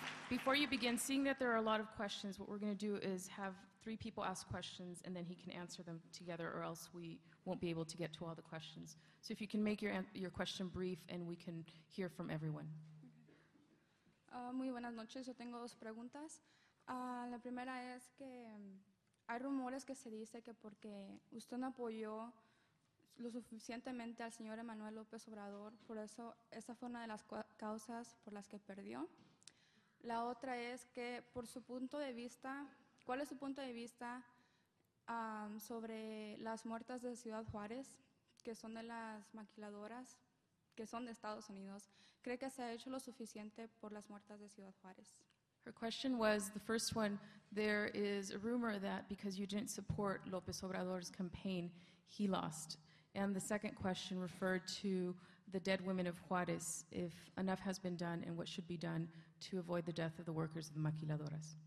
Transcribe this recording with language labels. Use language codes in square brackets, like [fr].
[en] Before you begin, seeing that there are a lot of questions, what we're going to do is have three people ask questions, and then he can answer them together, or else we won't be able to get to all the questions. So if you can make your question brief, and we can hear from everyone. [es] Okay. Muy buenas noches. Yo tengo dos preguntas. La primera es que hay rumores que se dice que porque usted no apoyó lo suficientemente al señor Emmanuel López Obrador, por eso esa fue una de las causas por las que perdió. La otra es que, por su punto de vista, ¿cuál es su punto de vista sobre las muertas de Ciudad Juárez, que son de las maquiladoras, que son de Estados Unidos? ¿Cree que se ha hecho lo suficiente por las muertas de Ciudad Juárez? [en] Her question was, the first one, there is a rumor that because you didn't support López Obrador's campaign, he lost. And the second question referred to the dead women of Juárez, if enough has been done and what should be done to avoid the death of the workers of the maquiladoras.